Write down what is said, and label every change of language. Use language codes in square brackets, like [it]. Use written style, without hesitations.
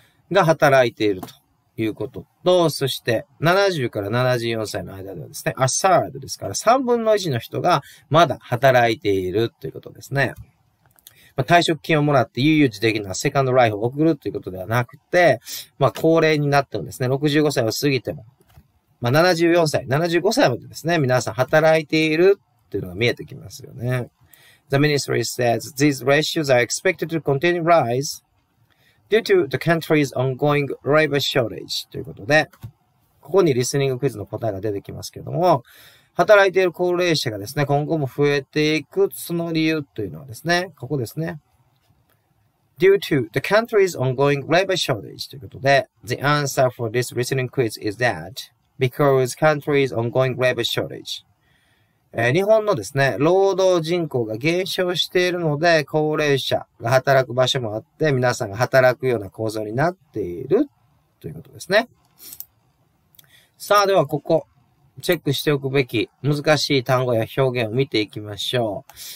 [ja] が働いているということと、そして70から74歳の間ではですね、 [en] a third [ja] ですから3分の1の人がまだ働いているということですね。まあ、退職金をもらって悠々自適なセカンドライフを送るということではなくて、まあ高齢になってもですね、65歳を過ぎても、まあ74歳、75歳までですね、皆さん働いているっていうのが見えてきますよね。 [en] The ministry says these ratios are expected to continue rise. Due to the country's ongoing labor shortage [ja] ということで、ここにリスニングクイズの答えが出てきますけれども、働いている高齢者がですね、今後も増えていくその理由というのはですね、ここですね。 [en] Due to the country's ongoing labor shortage [ja] ということで、 [en] The answer for this listening quiz is that because country's ongoing labor shortage [ja] 日本のですね、労働人口が減少しているので、高齢者が働く場所もあって、皆さんが働くような構造になっているということですね。さあ、ではここ、チェックしておくべき難しい単語や表現を見ていきましょう。